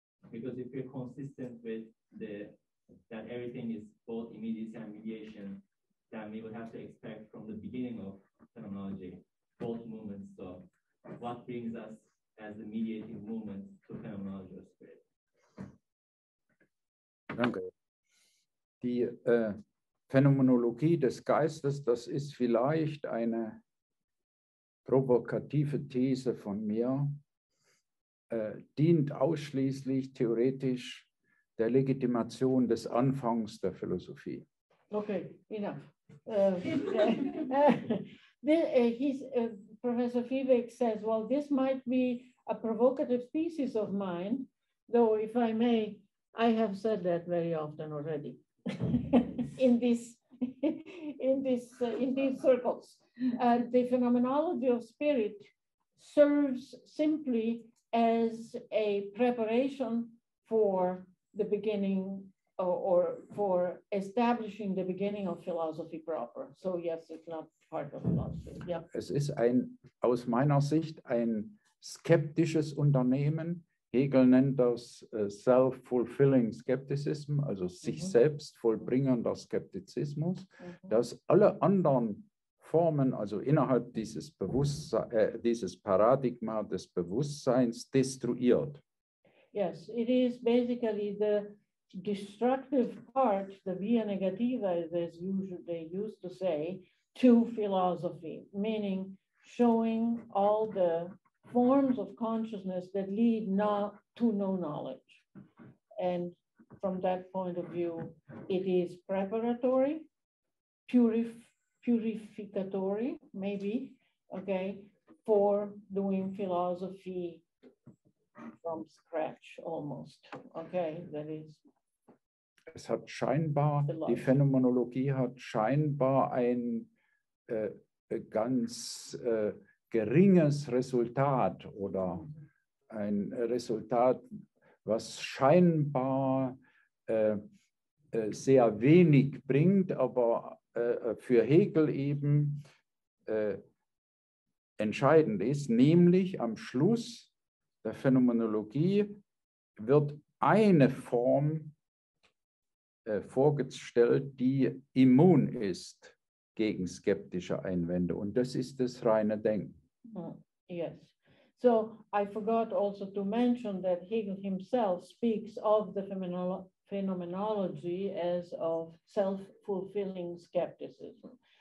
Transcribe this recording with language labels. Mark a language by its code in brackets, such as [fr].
[en] Because if you're consistent with the that everything is both immediacy and mediation, then we would have to expect from the beginning of phenomenology both movements. So what brings us as the mediating movement to phenomenology of spirit? [de] Danke. Die Phänomenologie des Geistes, das ist vielleicht eine provokative These von mir, dient ausschließlich theoretisch der Legitimation des Anfangs der Philosophie. [en] Okay, enough. Professor Vieweg says, well, this might be a provocative thesis of mine, though, if I may, I have said that very often already in these circles. The phenomenology of spirit serves simply as a preparation for the beginning or for establishing the beginning of philosophy proper. So yes, it's not part of philosophy. Yeah. [de] Es ist ein, aus meiner Sicht, ein skeptisches Unternehmen. Hegel nennt das [en] self-fulfilling skepticism, [de] also sich selbst vollbringender Skeptizismus, dass alle anderen Formen, also innerhalb dieses dieses Paradigma des Bewusstseins, destruiert. [en] Yes, it is basically the destructive part, the via negativa, as usually they used to say, to philosophy, meaning showing all the forms of consciousness that lead not to no knowledge. And from that point of view, it is preparatory, purificatory, maybe, okay, for doing philosophy from scratch almost, okay, that is. [de] Es hat scheinbar, die Phänomenologie hat scheinbar ein ganz geringes Resultat oder ein Resultat, was scheinbar sehr wenig bringt, aber für Hegel eben entscheidend ist, nämlich am Schluss der Phänomenologie wird eine Form vorgestellt, die immun ist gegen skeptische Einwände, und das ist das reine Denken. [en] Yes. So I forgot also to mention that Hegel himself speaks of the phenomenology as of self-fulfilling skepticism.